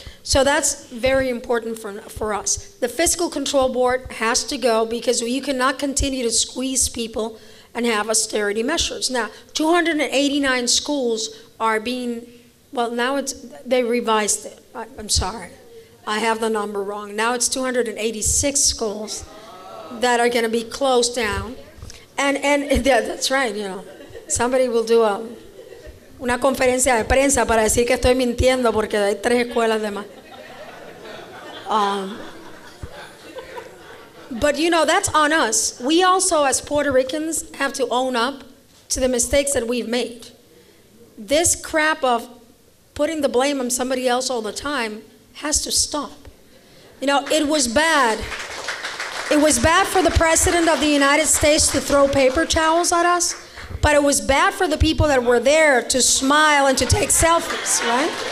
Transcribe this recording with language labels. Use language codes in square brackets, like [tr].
[en] So that's very important for us. The Fiscal Control Board has to go because you cannot continue to squeeze people and have austerity measures. Now, 289 schools are being, well, now it's, they revised it. I'm sorry, I have the number wrong. Now it's 286 schools that are gonna be closed down. And yeah, that's right, you know. Somebody will do [es] una conferencia de prensa para decir que estoy mintiendo porque hay tres escuelas de más. [en] But you know, that's on us. We also, as Puerto Ricans, have to own up to the mistakes that we've made. This crap of putting the blame on somebody else all the time has to stop. You know, it was bad. It was bad for the President of the United States to throw paper towels at us, but it was bad for the people that were there to smile and to take selfies, right?